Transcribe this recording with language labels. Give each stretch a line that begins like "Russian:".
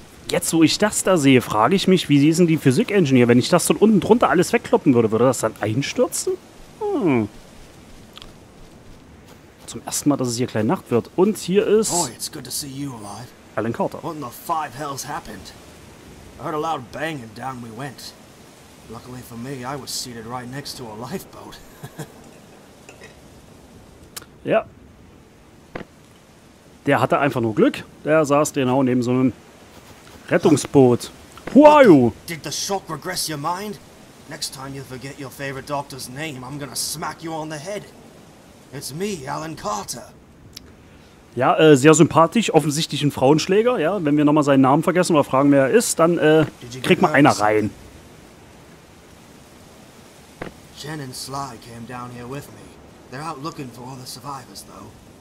German: Jetzt, wo ich das da sehe, frage ich mich, wie ist denn die Physik-Engineer? Wenn ich das dort unten drunter alles wegkloppen würde, würde das dann einstürzen? Hm. Zum ersten Mal, dass es hier klein Nacht wird. Und hier ist...
English: Boy, it's good to see you alive. Alan Carter. What in the five hells happened? I heard a loud bang and down we went. Luckily for me, I was seated right next to a lifeboat.
German: Ja. Der hatte einfach nur Glück. Der saß genau neben so einem Rettungsboot.
English: Who are you? Did the shock regress your mind? Next time you forget your favorite doctor's name, I'm gonna smack you on the head. It's me, Alan Carter.
German: Ja, sehr sympathisch. Offensichtlich ein Frauenschläger. Ja, wenn wir nochmal seinen Namen vergessen oder fragen, wer er ist, dann krieg mal einer rein.
English: Jen and Sly came down here with me. They're out looking for all the survivors, though.